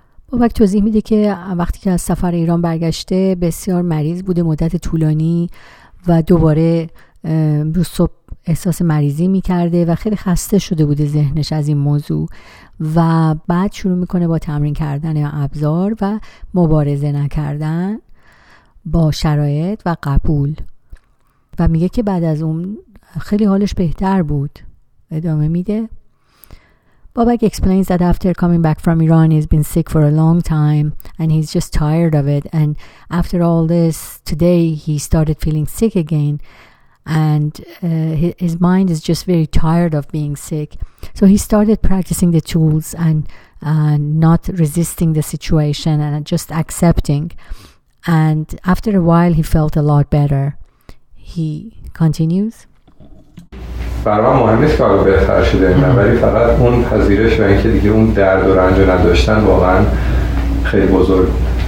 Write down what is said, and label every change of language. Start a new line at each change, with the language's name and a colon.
Persian: بابک توضیح میده که وقتی که از سفر ایران برگشته بسیار مریض بوده مدت طولانی و دوباره رو صبح احساس مریضی میکرده و خیلی خسته شده بوده ذهنش از این موضوع و بعد شروع میکنه با تمرین کردن ابزار و مبارزه نکردن با شرایط و قبول و میگه که بعد از اون خیلی حالش بهتر بود. ادامه میده.
English: Babak explains that after coming back from Iran, he's been sick for a long time and he's just tired of it. And after all this, today he started feeling sick again. And his mind is just very tired of being sick. So he started practicing the tools and not resisting the situation and just accepting. And after a while, he felt a lot better. He continues.
Persian: برام مهمه که حالا بهتر شده نه ولی فقط اون پذیرش و اینکه دیگه اون درد و رنج نداشتن واقعا خیلی بزرگ بود.